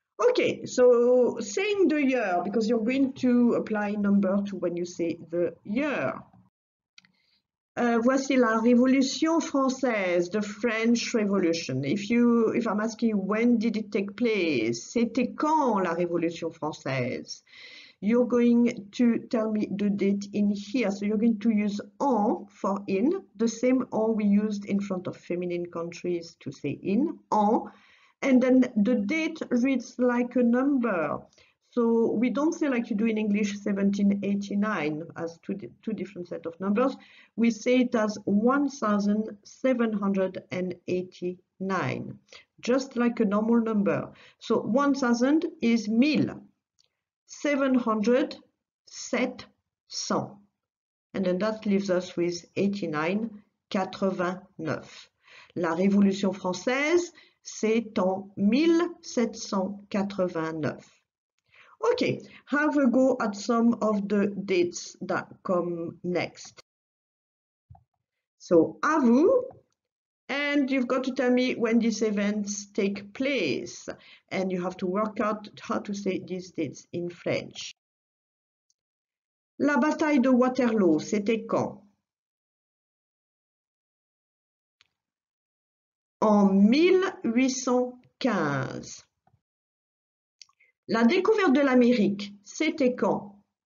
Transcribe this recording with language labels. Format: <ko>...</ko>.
<en>Okay, so saying the year, because you're going to apply number to when you say the year.</en> <fr>Voici la Révolution française,</fr> <en>the French Revolution. If I'm asking you, when did it take place?</en> <fr>C'était quand la Révolution française?</fr> <en>You're going to tell me the date in here. So you're going to use en for in, the same en we used in front of feminine countries to say in, en. And then the date reads like a number. So we don't say like you do in English 1789 as two different set of numbers. We say it as 1789, just like a normal number. So 1000 is 1000. 700, 700. And then that leaves us with 89, 89.</en> <fr>La Révolution française, c'est en 1789.</fr> <en>Okay, have a go at some of the dates that come next. So,</en> <fr>à vous.</fr> <en>And you've got to tell me when these events take place. And you have to work out how to say these dates in French.</en> <fr>La bataille de Waterloo, c'était quand? En 1815. La découverte de l'Amérique, c'était quand?</fr>